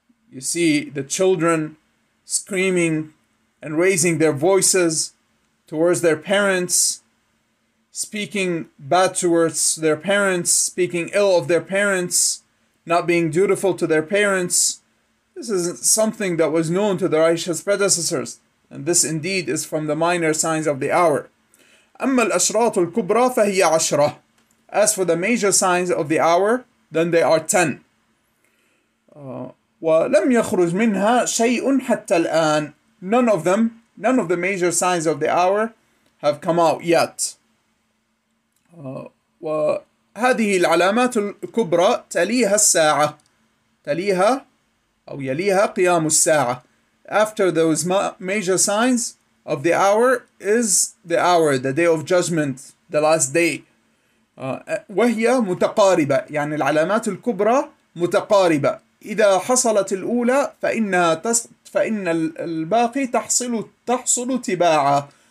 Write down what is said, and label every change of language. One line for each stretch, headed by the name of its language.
English: You see the children screaming and raising their voices towards their parents, speaking bad towards their parents, speaking ill of their parents, not being dutiful to their parents. This is something that was known to the righteous predecessors, and this indeed is from the minor signs of the hour.
Arabic: أما الأشراط الكبرى فهي عشرة.
English: As for the major signs of the hour, then they are 10.
Arabic: ولم يخرج منها شيء حتى الآن.
English: None of the major signs of the hour have come out yet.
Arabic: وهذه العلامات الكبرى تليها الساعة. تليها أو يليها قيام الساعة.
English: After those major signs of the hour is the hour, the day of judgment, the last day.
Arabic: وهي متقاربة. يعني العلامات الكبرى متقاربة. إذا حصلت الأولى فإن الباقي تحصل تباعا.